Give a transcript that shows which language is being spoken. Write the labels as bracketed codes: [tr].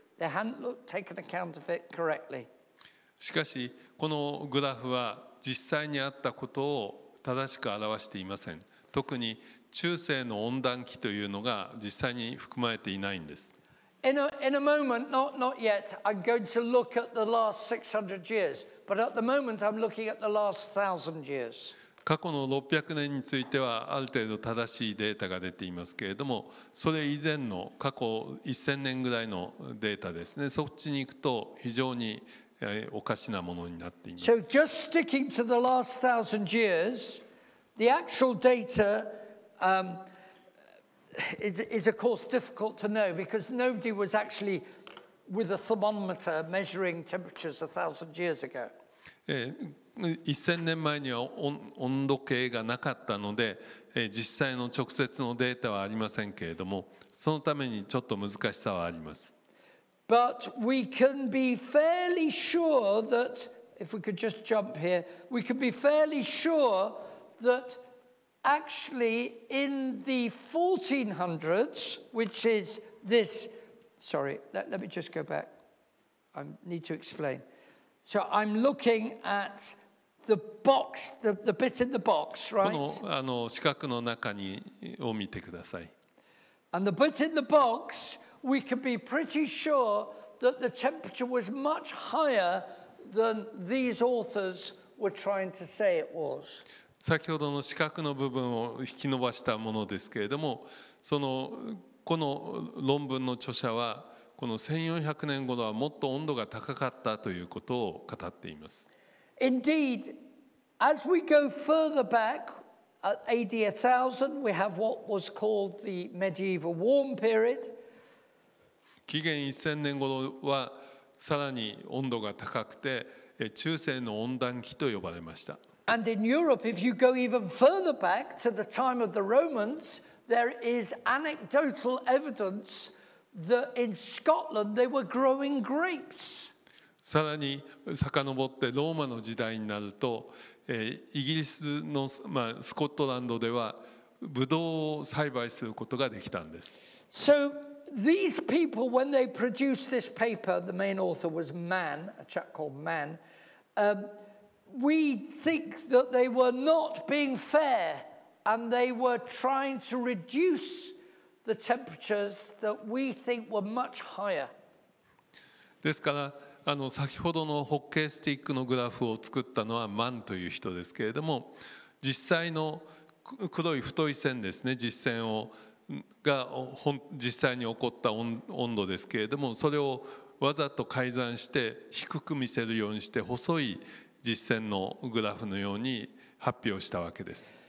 [en] They hadn't looked, taken account of it correctly. [ja] しかし、このグラフは実際にあったことを正しく表していません。特に中世の温暖期というのが実際に含まれていないんです。 [en] In a moment, not yet. I'm going to look at the last 600 years. But at the moment, I'm looking at the last 1000 years. [ja] 過去の600年についてはある程度正しいデータが出ていますけれども、それ以前の過去1000年ぐらいのデータですね。そっちに行くと非常に、おかしなものになっています。 [en] So just sticking to the last 1000 years, the actual data is of course difficult to know because nobody was actually with a thermometer measuring temperatures 1000 years ago. [ja] 1000年前には温度計がなかったので、実際の直接のデータはありませんけれども、そのためにちょっと難しさはあります。 [en] But we can be fairly sure that, if we could just jump here, we can be fairly sure that actually in the 1400s, which is this, sorry, let me just go back. I need to explain. So I'm looking at the box, the bit in the box, right? [ja] この四角の中にを見てください。 [en] And the bit in the box,We can be pretty sure that the temperature was much higher than these authors were trying to say it was. [ja] 先ほどの四角の部分を引き伸ばしたものですけれども、この論文の著者は、この1400年頃はもっと温度が高かったということを語っています。 [en] Indeed, as we go further back, at AD 1000, we have what was called the medieval warm period. [ja] 紀元1000年頃はさらに温度が高くて中世の温暖期と呼ばれました。 [en] And in Europe, if you go even further back to the time of the Romans, there is anecdotal evidence that in Scotland they were growing grapes. [ja] さらに遡ってローマの時代になるとイギリスの、まあ、スコットランドではブドウを栽培することができたんです。 [en] So these people when they produced this paper, the main author was Mann, a chap called Mann, we think that they were not being fair and they were trying to reduce the temperatures that we think were much higher. [ja] ですから先ほどのホッケースティックのグラフを作ったのはマンという人ですけれども、実際の黒い太い線ですね、実線をが実際に起こった温度ですけれども、それをわざと改ざんして低く見せるようにして細い実線のグラフのように発表したわけです。